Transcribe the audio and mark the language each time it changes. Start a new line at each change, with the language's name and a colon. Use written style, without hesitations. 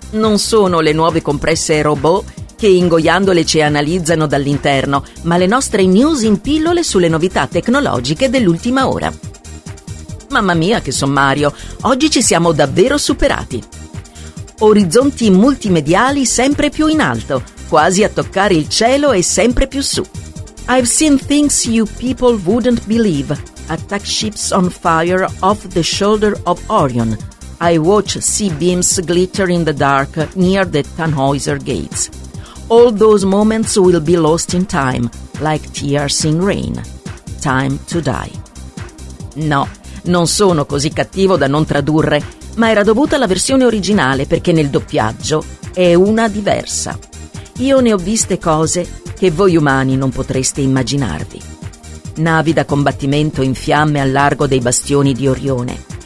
Italian: Non sono le nuove compresse robot che ingoiandole ci analizzano dall'interno, ma le nostre news in pillole sulle novità tecnologiche dell'ultima ora. Mamma mia che sommario, oggi ci siamo davvero superati. Orizzonti multimediali sempre più in alto, quasi a toccare il cielo e sempre più su.
English: I've seen things you people wouldn't believe. Attack ships on fire off the shoulder of Orion. I watch sea beams glitter in the dark near the Tannhäuser Gates. All those moments will be lost in time, like tears in rain. Time to die.
Italian: No, non sono così cattivo da non tradurre, ma era dovuta alla versione originale perché nel doppiaggio è una diversa. Io ne ho viste cose che voi umani non potreste immaginarvi. Navi da combattimento in fiamme al largo dei bastioni di Orione.